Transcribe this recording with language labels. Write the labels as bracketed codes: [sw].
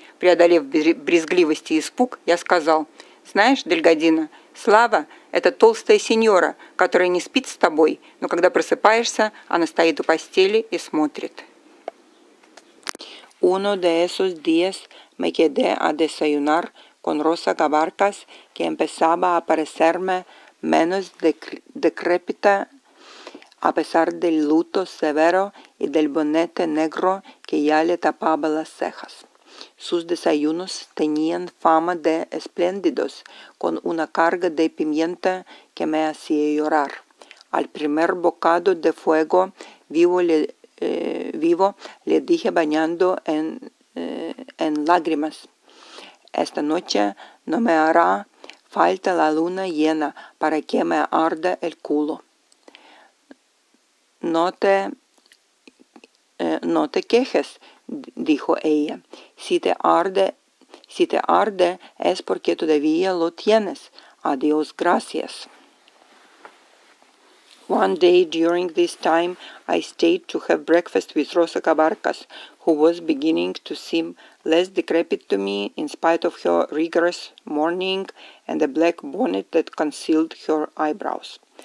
[ru] Преодолев брезгливость и испуг, я сказал: «Знаешь, Дельгадина, слава – это толстая сеньора, которая не спит с тобой, но когда просыпаешься, она стоит у постели и смотрит». [es] Uno de esos días me quedé a desayunar con Rosa Gabarcas, que empezaba a parecerme menos decrépita a pesar del luto severo y del bonete negro que ya le tapaba las cejas. Sus desayunos tenían fama de espléndidos, con una carga de pimienta que me hacía llorar. Al primer bocado de fuego vivo, le dije bañando en lágrimas: "Esta noche no me hará falta la luna llena para que me arda el culo. No te quejes", dijo ella. Si te arde es porque todavía lo tienes. Adiós, gracias". [en] One day during this time, I stayed to have breakfast with Rosa Gabarcas, who was beginning to seem less decrepit to me in spite of her rigorous mourning and the black bonnet that concealed her eyebrows.